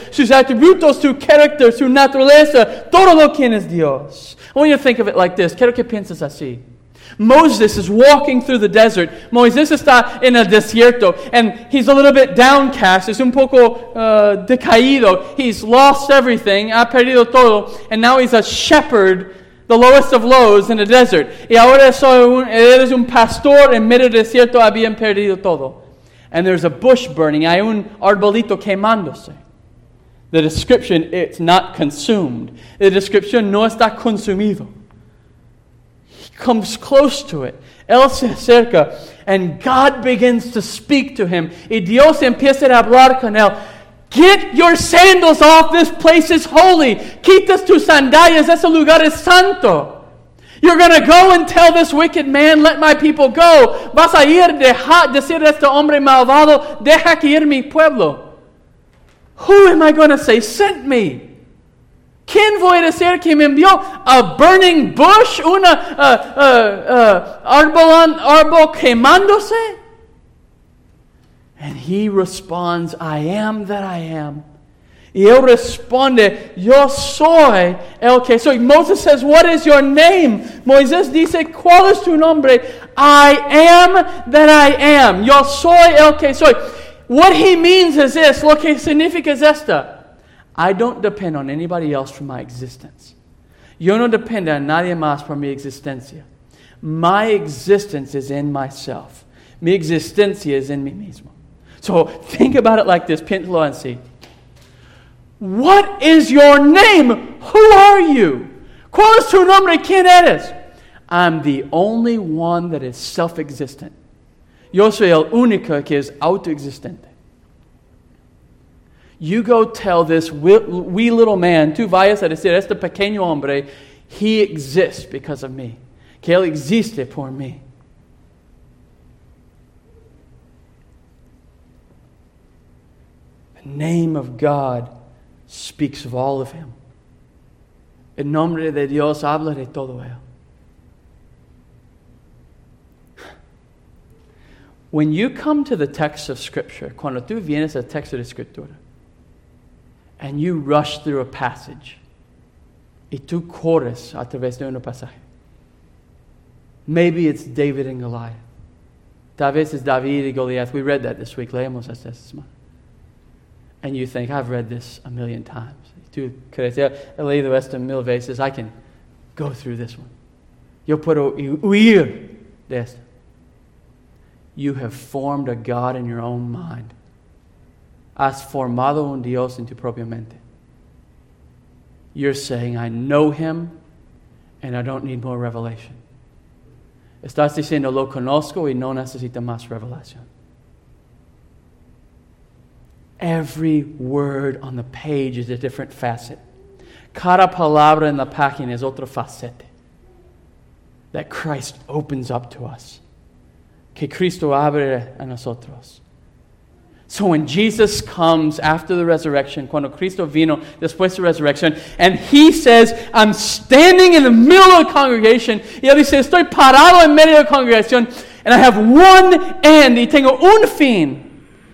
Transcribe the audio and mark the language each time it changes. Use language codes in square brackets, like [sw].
[es] Sus atributos, su carácter, su naturaleza, todo lo quien es Dios. [en] I want you to think of it like this. [es] Quiero que pienses así. [en] Moses is walking through the desert. [es] Moisés está en el desierto. [en] And he's a little bit downcast. [es] Es un poco decaído. [en] He's lost everything. [es] Ha perdido todo. [en] And now he's a shepherd, the lowest of lows in the desert. [es] Y ahora eres un pastor en medio del desierto. Habían perdido todo. [en] And there's a bush burning. [es] Hay un arbolito quemándose. [en] The description, it's not consumed. The description, [es] no está consumido. [en] He comes close to it. [es] Él se acerca, [en] and God begins to speak to him. [es] Y Dios empieza a hablar con él. [en] Get your sandals off. This place is holy. [es] Quitas tus sandalias. Ese lugar es santo. [en] You're going to go and tell this wicked man, let my people go. [es] Vas a ir decir a este hombre malvado, deja que ir mi pueblo. [en] Who am I going to say sent me? [es] ¿Quién voy a decir que me envió? [en] A burning bush? [es] Arbol quemándose? [en] And he responds, I am that I am. [es] Y él responde, yo soy el que soy. [en] Moses says, what is your name? [es] Moisés dice, ¿cuál es tu nombre? [en] I am that I am. [es] Yo soy el que soy. [en] What he means is this. [es] Lo que significa es esta. [en] I don't depend on anybody else for my existence. [es] Yo no dependo a nadie más por mi existencia. [en] My existence is in myself. [es] Mi existencia es en mí mismo. [en] So think about it like this. [es] Piénsalo así. [en] What is your name? Who are you? [es] ¿Cuál es tu nombre? ¿Quién eres? [en] I'm the only one that is self-existent. [es] Yo soy el único que es autoexistente. [en] You go tell this wee little man, [es] tú vayas a decir, este pequeño hombre, [en] he exists because of me. [es] Que él existe por mí. [en] The name of God speaks of all of him. [es] El nombre de Dios habla de todo él. [en] When you come to the text of Scripture, [es] cuando tú vienes al texto de Escritura, [en] and you rush through a passage, [es] y tú corres a través de un pasaje, [en] maybe it's David and Goliath. [es] Tal vez es David y Goliath. [en] We read that this week. [es] Leemos esta semana. [en] And you think, I've read this a million times. [es] Tú crees, he leído esto mil veces. [en] I can go through this one. [es] Yo puedo huir de esto. [en] You have formed a God in your own mind. [es] Has formado un Dios en tu propia mente. [en] You're saying, I know him, and I don't need more revelation. [es] Estás diciendo, lo conozco y no necesito más revelación. [en] Every word on the page is a different facet. [es] Cada palabra en la página es otro facete [en] that Christ opens up to us. [es] Que Cristo abre a nosotros. [en] So when Jesus comes after the resurrection, [es] cuando Cristo vino después de la resurrección, [en] and he says, I'm standing in the middle of the congregation, [es] y él dice, estoy parado en medio de la congregación, [en] and I have one end, [es] y tengo un fin.